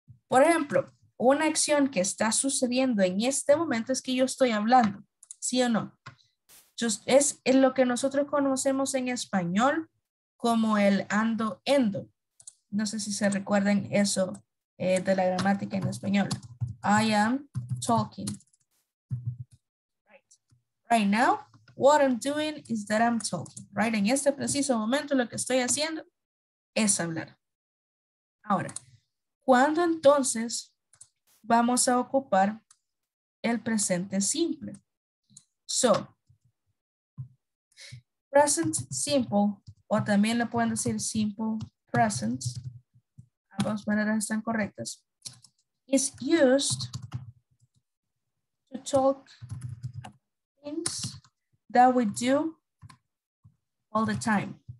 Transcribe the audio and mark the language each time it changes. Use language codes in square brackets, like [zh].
[es] Por ejemplo, una acción que está sucediendo en este momento es que yo estoy hablando. ¿Sí o no? Es lo que nosotros conocemos en español como el ando-endo. No sé si se recuerdan eso de la gramática en español. [en] I am talking. Right now, what I'm doing is that I'm talking. Right? [es] En este preciso momento lo que estoy haciendo es hablar. Ahora, ¿cuándo entonces vamos a ocupar el presente simple? [en] So, present simple, [es] o también le pueden decir [en] simple present, [es] ambas maneras están correctas, [en] is used to talk things that we do all the time.